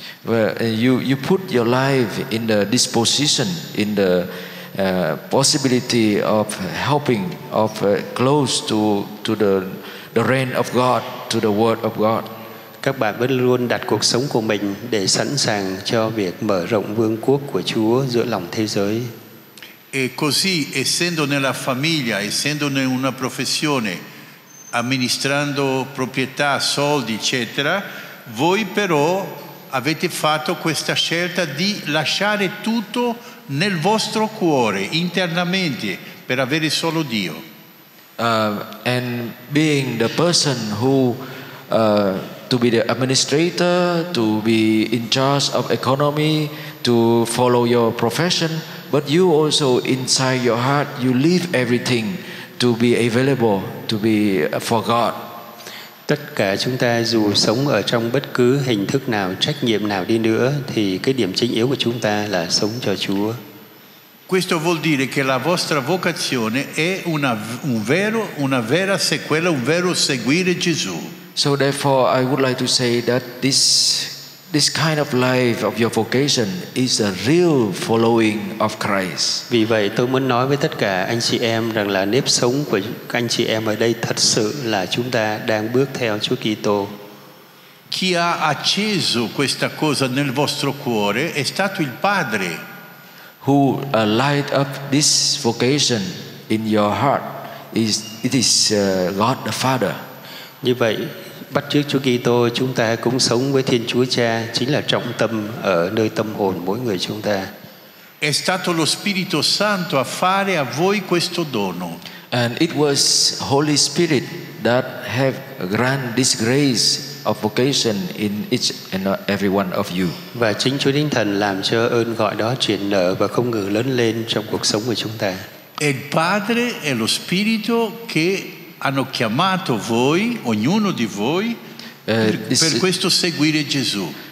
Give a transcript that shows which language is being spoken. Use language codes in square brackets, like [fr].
[en] You put your life in the disposition, in the possibility of helping, of close to the reign of God, to the Word of God. [vi] Các bạn vẫn luôn đặt cuộc sống của mình để sẵn sàng cho việc mở rộng vương quốc của Chúa giữa lòng thế giới. [it] E così, essendo nella famiglia, essendo in una professione, amministrando proprietà, soldi, eccetera, voi però avete fatto questa scelta di lasciare tutto nel vostro cuore internamente per avere solo Dio. [en] And being the person who to be the administrator, to be in charge of economy, to follow your profession, but you also inside your heart you leave everything to be available to be for God. [vi] Tất cả chúng ta dù sống ở trong bất cứ hình thức nào, trách nhiệm nào đi nữa, thì cái điểm chính yếu của chúng ta là sống cho Chúa. [it] Questo vuol dire che la vostra vocazione è una vera sequela, un vero seguire Gesù. [en] So therefore I would like to say that this kind of life of your vocation is a real following of Christ. [vi] Vì vậy tôi muốn nói với tất cả anh chị em rằng là nếp sống của các anh chị em ở đây thật sự là chúng ta đang bước theo Chúa Kitô. [it] Chi ha acceso questa cosa nel vostro cuore è stato il Padre. [en] Who light up this vocation in your heart is it is God the Father. [vi] Như vậy bắt chước Chúa Kitô chúng ta cũng sống với Thiên Chúa Cha chính là trọng tâm ở nơi tâm hồn mỗi người chúng ta. [it] È stato lo Spirito Santo a fare a voi questo dono. [en] And it was Holy Spirit that have grant this grace of vocation in each and every one of you. [vi] Và chính Chúa Thánh Thần làm cho ơn gọi đó triển nở và không ngừng lớn lên trong cuộc sống của chúng ta. [it] Il Padre e lo Spirito che hanno chiamato voi, ognuno di voi, per questo seguire Gesù.